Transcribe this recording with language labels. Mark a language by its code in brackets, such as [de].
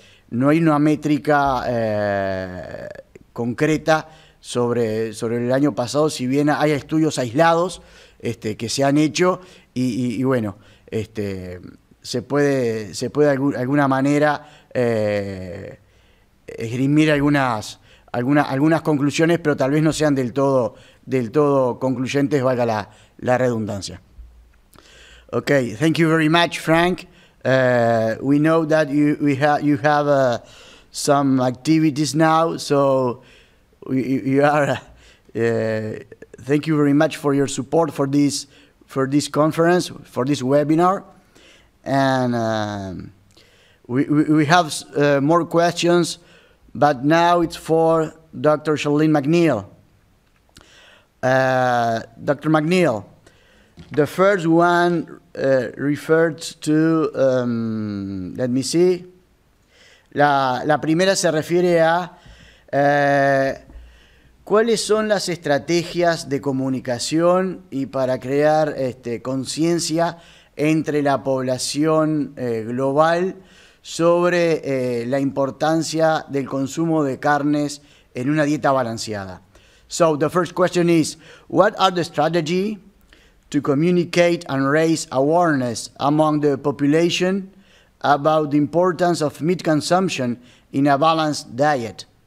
[es] no hay una métrica concreta sobre el año pasado, si bien hay estudios aislados que se han hecho y bueno, se puede alguna manera esgrimir algunas conclusiones, pero tal vez no sean del todo concluyentes, valga la redundancia. [en] Okay, thank you very much, Frank. We know that you have some activities now, so thank you very much for your support for this conference, for this webinar, and we have more questions, but now it's for Dr. Charlene McNeil. Dr. [es] McNeil, [en] the first one referred to, let me see, [es] la primera se refiere a cuáles son las estrategias de comunicación y para crear conciencia entre la población global sobre la importancia del consumo de carnes en una dieta balanceada. [en] So the first question is, what are the strategies to communicate and raise awareness among the population about the importance of meat consumption in a balanced diet?